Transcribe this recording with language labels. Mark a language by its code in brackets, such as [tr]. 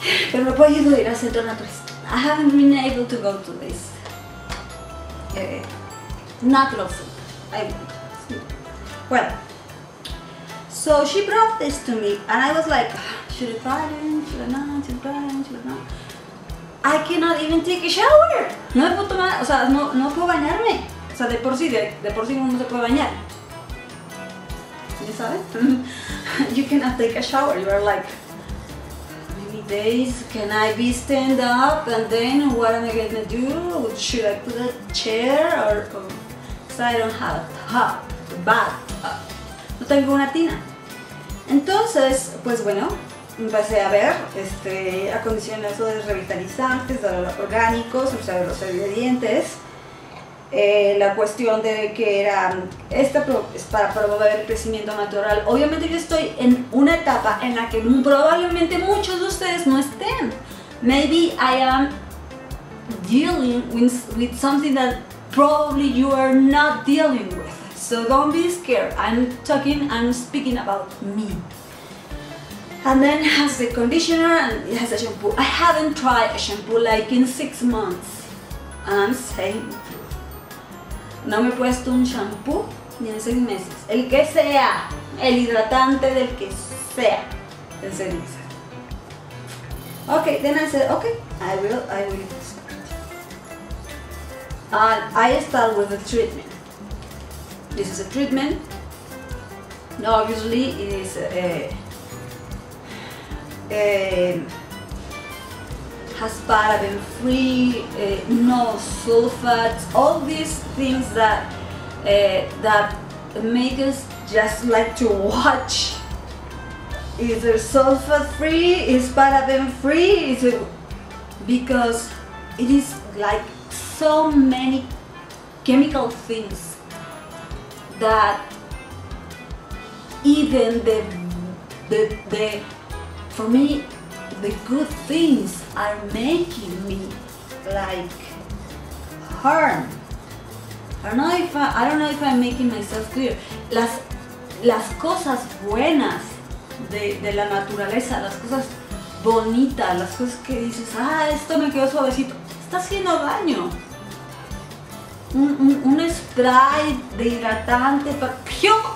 [es] Pero no he podido ir al centro natural. [en] I haven't been able to go to this natural food. So she brought this to me and I was like, should I buy it? Should I not? I cannot even take a shower. [es] No me puedo tomar, o sea, no puedo bañarme. O sea, de por sí uno no se puede bañar. ¿Ya sabes? [en] You cannot take a shower. You are like, days can I be stand up and then what am I gonna do? Should I put a chair or because I don't have a tub, a bathtub. [es] No tengo una tina. Entonces, pues bueno, empecé a ver acondicionadores revitalizantes, orgánicos, o sea, los ingredientes. La cuestión de que era esta es para promover el crecimiento natural. Obviamente yo estoy en una etapa en la que probablemente muchos de ustedes no estén. [en] Maybe I am dealing with something that probably you are not dealing with. So don't be scared. I'm speaking about me. And then has the conditioner and it has a shampoo. I haven't tried a shampoo like in 6 months. I'm saying. [es] No me he puesto un shampoo ni en 6 meses. El que sea, el hidratante del que sea, en 6 meses. [en] Ok, then I said, ok, I will do this. And I start with the treatment. This is a treatment. Obviously, it is has paraben free, no sulfates, all these things that that make us just like to watch. Is it sulfate free? Is paraben free? Is it because it is like so many chemical things that even the for me. The good things are making me like harm. I don't know if I'm making myself clear. [es] Las cosas buenas de la naturaleza, las cosas bonitas, las cosas que dices, ah, esto me quedó suavecito, está haciendo daño. Un spray de hidratante para ¡piu!